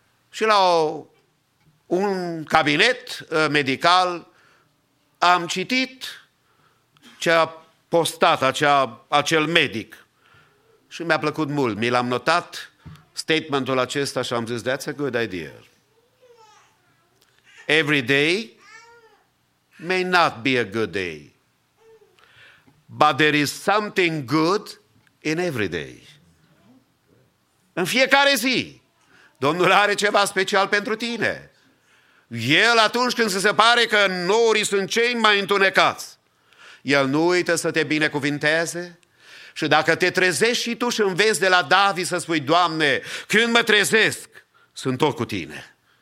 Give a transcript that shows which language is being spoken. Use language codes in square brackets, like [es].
[ro] Și la un cabinet medical am citit ce a postat acel medic. Și mi-a plăcut mult. Mi l-am notat statementul acesta și am zis: [en] that's a good idea. Every day may not be a good day, but there is something good in every day. [ro] În fiecare zi, Domnul are ceva special pentru tine. El, atunci când se pare că norii sunt cei mai întunecați, El nu uită să te binecuvinteze. Și dacă te trezești și tu și înveți de la David să spui: Doamne, când mă trezesc, sunt tot cu tine.